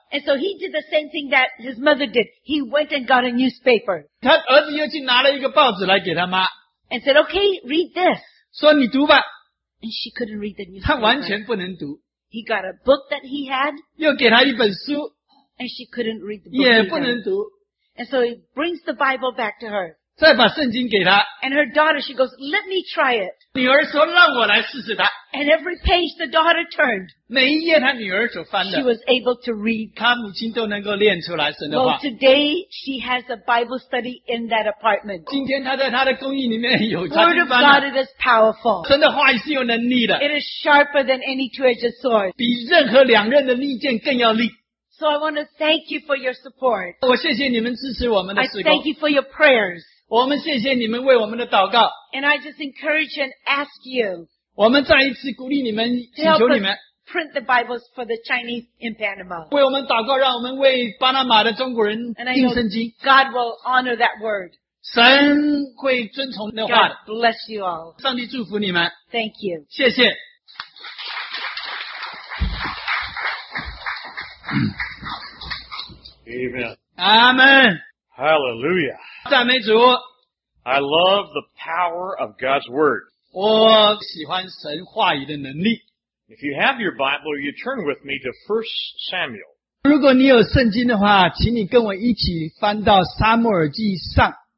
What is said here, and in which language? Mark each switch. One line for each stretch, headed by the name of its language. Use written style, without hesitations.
English: And so he did the same thing that his mother did. He went and got a newspaper.
Chinese: 他儿子又去拿了一个报纸来给他妈。
English: And said, okay, read this.
Chinese: 说你读吧。
English: And she couldn't read the newspaper.
Chinese: 他完全不能读。
English: He got a book that he had.
Chinese: 又给他一本书。
English: And she couldn't read the book.
Chinese: 也不能读。
English: And so he brings the Bible back to her.
Chinese: 再把圣经给他。
English: And her daughter, she goes, let me try it.
Chinese: 女儿说让我来试试它。
English: And every page the daughter turned,
Chinese: 每一页她女儿所翻的,
English: she was able to read.
Chinese: 她母亲都能够练出来神的话。
English: Well, today she has a Bible study in that apartment.
Chinese: 今天她在她的公寓里面有她的班。
English: Word of God is powerful.
Chinese: 神的话语是有能力的。
English: It is sharper than any two-edged sword.
Chinese: 比任何两刃的利剑更要利。
English: So I want to thank you for your support.
Chinese: 我谢谢你们支持我们的事工。
English: I thank you for your prayers.
Chinese: 我们谢谢你们为我们的祷告。
English: And I just encourage and ask you,
Chinese: 我们再一次鼓励你们, 请求你们,
English: to help us print the Bibles for the Chinese in Panama.
Chinese: 为我们祷告, 让我们为巴拿马的中国人,
English: and I know God will honor that word.
Chinese: 神会遵从那话的。
English: God bless you all.
Chinese: 上帝祝福你们。
English: Thank you.
Chinese: 谢谢。
English: Amen. Amen. Hallelujah.
Chinese: 赞美主。
English: I love the power of God's Word.
Chinese: 我喜欢神话语的能力。
English: If you have your Bible, you turn with me to 1 Samuel.
Chinese: 如果你有圣经的话, 请你跟我一起翻到撒母耳记上。